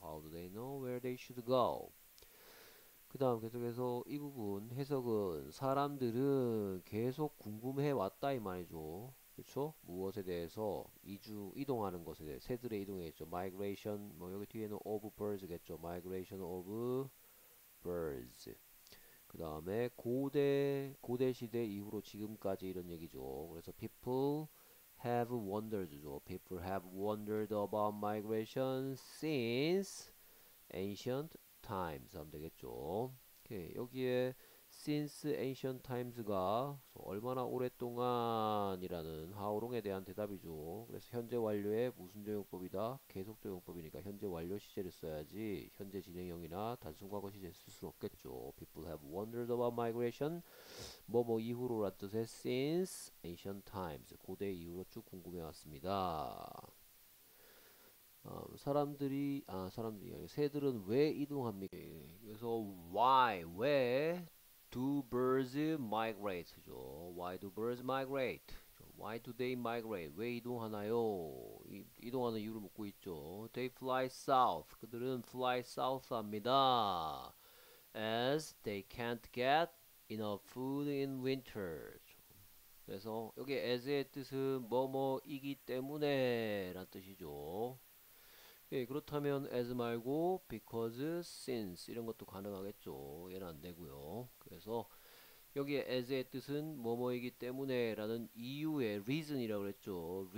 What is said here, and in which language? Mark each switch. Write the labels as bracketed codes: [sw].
[en] How do they know where they should go? [ko] 그 다음 계속해서 이 부분 해석은 사람들은 계속 궁금해 왔다 이 말이죠. 그렇죠? 무엇에 대해서 이주 이동하는 것에 대해 새들의 이동이겠죠. [en] Migration [ko] 뭐 여기 뒤에는 [en] of birds겠죠. Migration of birds. [ko] 그 다음에 고대 시대 이후로 지금까지 이런 얘기죠. 그래서 [en] people have wondered [ko] 죠. [en] People have wondered about migration since ancient times [ko] 하면 되겠죠. 오케이. 여기에 [en] since ancient times [ko] 가 얼마나 오랫동안이라는 how long에 대한 대답이죠. 그래서 현재 완료의 무슨 조용법이다? 계속적 용법이니까 현재 완료 시제를 써야지 현재 진행형이나 단순 과거 시제 쓸 수는 없겠죠. [en] People have wondered about migration [ko] 뭐뭐 이후로란 뜻의 [en] since ancient times [ko] 고대 이후로 쭉 궁금해 왔습니다. 사람들이 새들은 왜 이동합니까? [en] 그래서 why 왜 Do birds migrate죠? Why do birds migrate? Why do they migrate? [ko] 왜 이동하나요? 이동하는 이유를 묻고 있죠. [en] They fly south. 그들은 fly south 합니다. As they can't get enough food in winter. [ko] 그래서 여기 as의 뜻은 뭐뭐이기 때문에 라는 뜻이죠. 예, 그렇다면 as 말고 because, since 이런 것도 가능하겠죠. 얘는 안 되고요. 그래서 여기에 as의 뜻은 뭐뭐이기 때문에 라는 이유의 reason이라고 그랬죠.